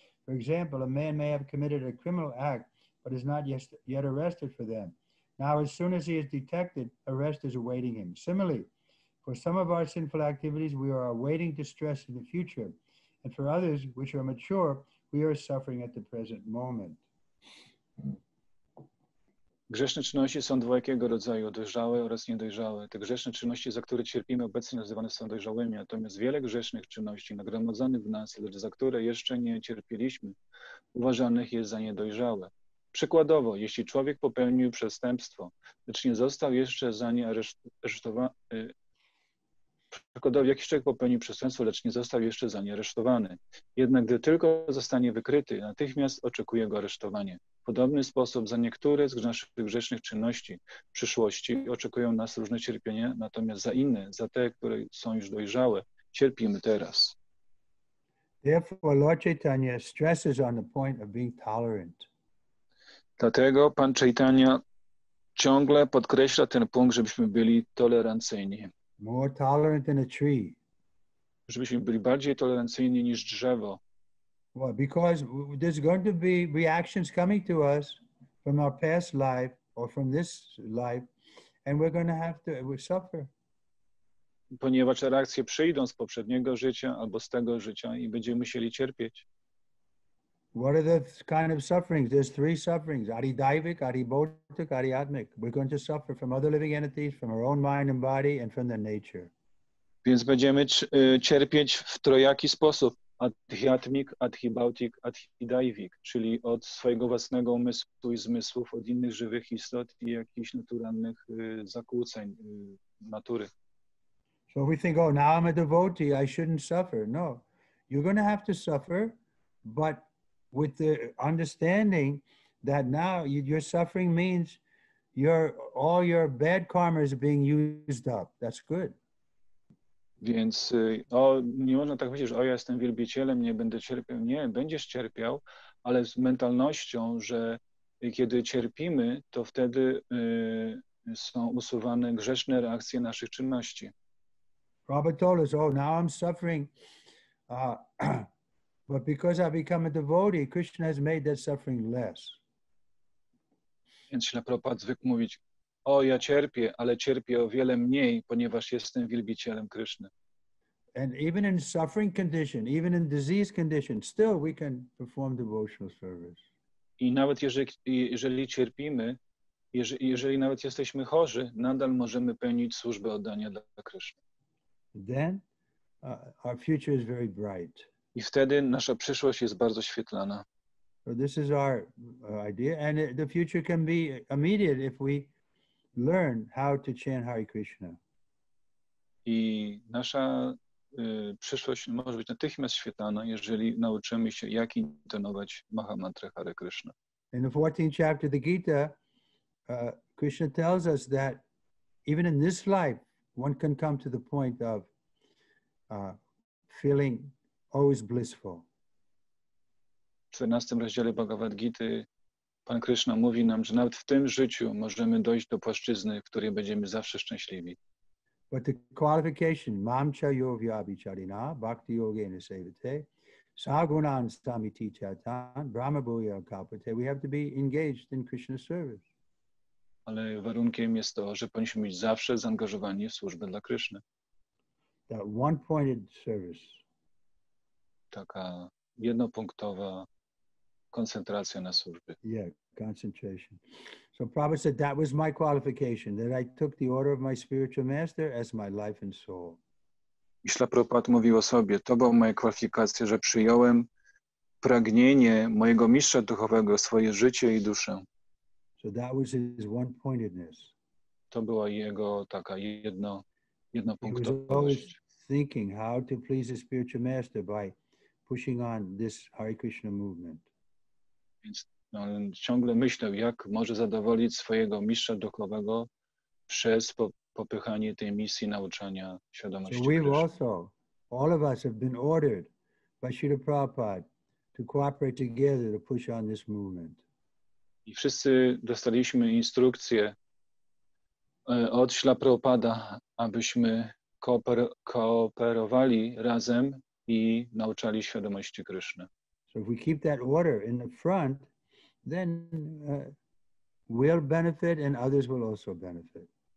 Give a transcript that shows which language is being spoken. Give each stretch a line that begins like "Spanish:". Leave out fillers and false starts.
English: For example, a man may have committed a criminal act, but is not yet arrested for them. Now, as soon as he is detected, arrest is awaiting him. Similarly, for some of our sinful activities, we are awaiting distress in the future. And for others, which are mature, we are suffering at the present moment.
Polish: Grzeszne czynności są dwojakiego rodzaju, dojrzałe oraz niedojrzałe. Te grzeszne czynności, za które cierpimy obecnie, nazywane są dojrzałymi. Natomiast wiele grzesznych czynności nagromadzonych w nas, lecz za które jeszcze nie cierpiliśmy, uważanych jest za niedojrzałe. Przykładowo, jeśli człowiek popełnił przestępstwo, lecz nie został jeszcze za nie aresztowany, przykładowo, jakiś człowiek popełnił przestępstwo, lecz nie został jeszcze za nie aresztowany. Jednak gdy tylko zostanie wykryty, natychmiast oczekuje go aresztowanie. W podobny sposób za niektóre z naszych grzesznych czynności w przyszłości oczekują nas różne cierpienia, natomiast za inne, za te, które są już dojrzałe, cierpimy teraz.
English: Therefore, Lord Chaitanya stresses on the point of being tolerant.
Polish: Dlatego Pan Chaitanya ciągle podkreśla ten punkt, żebyśmy byli tolerancyjni.
English: More tolerant than a tree.
Polish: Żebyśmy byli bardziej tolerancyjni niż drzewo.
English: Well, because there's going to be reactions coming to us from our past life or from this life, and we're going to have to suffer.
Polish: ponieważ reakcje przyjdą z poprzedniego życia albo z tego życia i będziemy musieli cierpieć.
English: What are the kind of sufferings? There's three sufferings: adidaivik, adibhautik, adiatmik. We're going to suffer from other living entities, from our own mind and body, and from the nature.
Polish: Więc będziemy cierpieć w trojaki sposób: adhyatmik, adhibautik, adhidaivik, czyli od swojego własnego umysłu i zmysłów, od innych żywych istot i jakichś naturalnych zakłóceń natury.
English: So we think, oh, now I'm a devotee, I shouldn't suffer. No, you're going to have to suffer, but with the understanding that now your suffering means all your bad karma is being used up. That's good.
Polish: Więc nie można tak powiedzieć, że ja jestem wielbicielem, nie będę cierpiał. Nie, będziesz cierpiał, ale z mentalnością, że kiedy cierpimy, to wtedy są usuwane grzeszne reakcje naszych czynności.
English: Robert told us, oh, now I'm suffering. But because I become a devotee, Krishna has made that suffering less.
Polish: Więc Śrila Prabhupada zwykł mówić, o, ja cierpię, ale cierpię o wiele mniej, ponieważ jestem wielbicielem Kryszny.
English: And even in suffering condition, even in disease condition, still we can perform devotional service.
Polish: I nawet jeżeli cierpimy, jeżeli nawet jesteśmy chorzy, nadal możemy pełnić służbę oddania dla Kryszny.
English: Then our future is very bright.
Polish: I wtedy nasza przyszłość jest bardzo świetlana.
English: So this is our idea, and the future can be immediate if we learn how to chant Hare Krishna.
Polish: I nasza przyszłość może być natychmiast świetlana, jeżeli nauczymy się, jak intonować Mahamantra Hare Krishna.
English: In the 14th chapter of the Gita, Krishna tells us that even in this life, one can come to the point of feeling always blissful.
Polish: W 14 rozdziale Bhagavad Gita Pan Krishna mówi nam, że nawet w tym życiu możemy dojść do płaszczyzny, w której będziemy zawsze szczęśliwi.
English: But the qualification
Sanskrit: mamcha yovyabhicharina bhakti yogena sevate sagunan samiti chatan brahma bhuya kapate.
English: We have to be engaged in Krishna service.
Polish: Ale warunkiem jest to, że powinniśmy być zawsze zaangażowani w służbę dla Kryszny.
English: That one-pointed service.
Polish: Taka jednopunktowa koncentracja na służbie.
English: Yeah, concentration. So Prabhupada said that was my qualification, that I took the order of my spiritual master as my life and soul.
Polish: I Śla Prabhupada mówił o sobie, to była moja kwalifikacja, że przyjąłem pragnienie mojego mistrza duchowego, swoje życie i duszę.
English: So that was his one-pointedness.
Polish: To była jego taka jednopunktowość.
English: He was thinking how to please his spiritual master by pushing on this Hare Krishna movement.
Polish: Więc on ciągle myślał, jak może zadowolić swojego mistrza duchowego przez popychanie tej misji nauczania świadomości.
English: So we've also, all of us have been ordered by Śrīla Prabhupāda to cooperate together to push on this movement.
Polish: I wszyscy dostaliśmy instrukcję od Śrīla Prabhupāda, abyśmy kooperowali razem i nauczali świadomości Kryszny.
English: So if we keep that order in the front, then we'll benefit and others will also benefit.